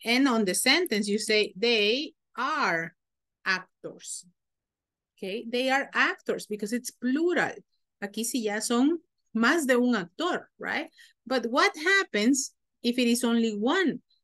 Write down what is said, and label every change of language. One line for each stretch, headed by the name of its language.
English: And on the sentence, you say they are actors. Okay? They are actors because it's plural.
Spanish: Aquí sí ya son más de un actor, right?
English: But what happens if it is only one?